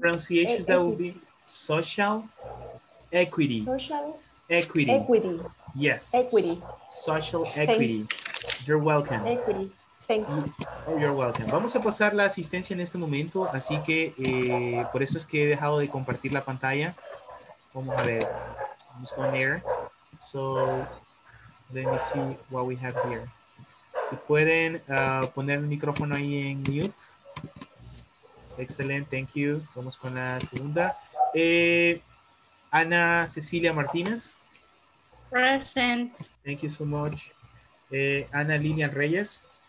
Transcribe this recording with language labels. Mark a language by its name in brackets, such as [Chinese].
[English] Pronunciation that will be social equity. Social equity. Equity. Yes. Equity. Social equity. Thanks. You're welcome. Equity. Thank you. Oh, you're welcome. [Spanish] Vamos a pasar la asistencia en este momento, así que por eso es que he dejado de compartir la pantalla. Vamos a ver. [English] I'm still on air. So, let me see what we have here. [Spanish] Si pueden poner el micrófono ahí en mute. Excelente, [English] thank you. [Spanish] Vamos con la segunda. Ana Cecilia Martínez. [English] Present. Thank you so much. Ana Lilian Reyes.